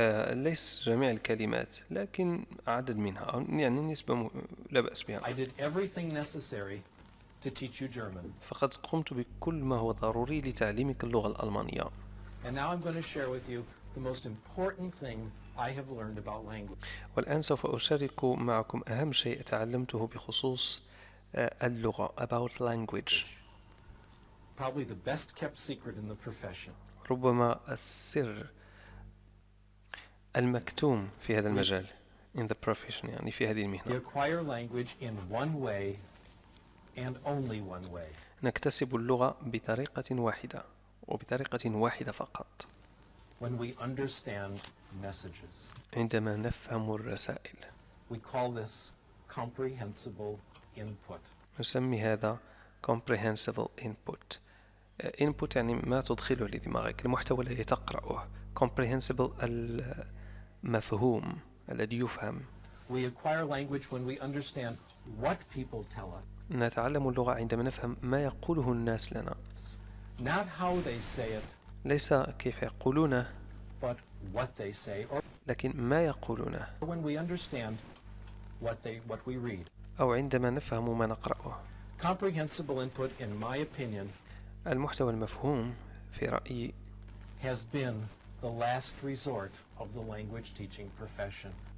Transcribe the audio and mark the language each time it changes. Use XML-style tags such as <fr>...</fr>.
<ar>ليس جميع الكلمات لكن عدد منها يعني نسبة لا بأس بها.</ar> <en>I did everything necessary to teach you German.</en> <ar>فقد قمت بكل ما هو ضروري لتعليمك اللغة الألمانية.</ar> <en>And now I'm going to share with you the most important thing I have learned about language.</en> <ar>والآن سوف أشارك معكم أهم شيء تعلمته بخصوص اللغة</ar> <en>about language. Probably the best kept secret in the profession.</en> <ar>ربما السر المكتوم في هذا المجال</ar> <en>in the profession</en> <ar>يعني في هذه المهنة.</ar> <en>You acquire language in one way and only one way.</en> <ar>نكتسب اللغة بطريقة واحدة وبطريقة واحدة فقط.</ar> <en>When we understand messages.</en> <ar>عندما نفهم الرسائل.</ar> <en>We call this comprehensible input.</en> <ar>نسمي هذا comprehensible input. Input يعني ما تدخله لدماغك المحتوى الذي تقرأه. Comprehensible المفهوم الذي يفهم.</ar> <en>We acquire language when we understand what people tell us.</en> <ar>نتعلم اللغة عندما نفهم ما يقوله الناس لنا.</ar> <en>Not how they say it.</en> <ar>ليس كيف يقولونه.</ar> <en>But what they say. Or</en> <ar>لكن ما يقولونه.</ar> <en>Or when we understand what we read.</en> <ar>أو عندما نفهم ما نقرأه.</ar> <en>Comprehensible input, in my opinion.</en> <ar>المحتوى المفهوم في رأيي.</ar> <en>Has been the last resort of the language teaching profession.</en>